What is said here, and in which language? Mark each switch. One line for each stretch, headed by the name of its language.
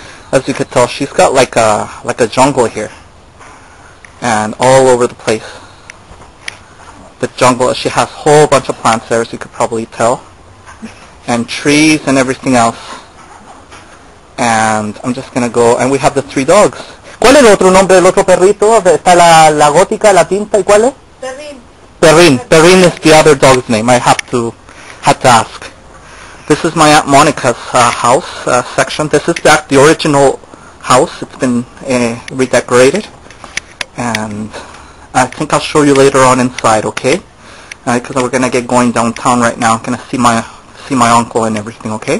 English: As you could tell, she's got like a jungle here. And all over the place. The jungle, she has a whole bunch of plants there, as you could probably tell. And trees and everything else. And I'm just gonna go, and we have the three dogs.
Spanish: ¿Cuál es el otro nombre del otro perrito? Está la gótica, la pinta, ¿y cuál es? Perrin.
English: Perrin is the other dog's name, I have to ask. This is my Aunt Monica's house section. This is the original house, it's been redecorated. And I think I'll show you later on inside, okay? Because we're going to get going downtown right now. I'm going to see my uncle and everything, okay?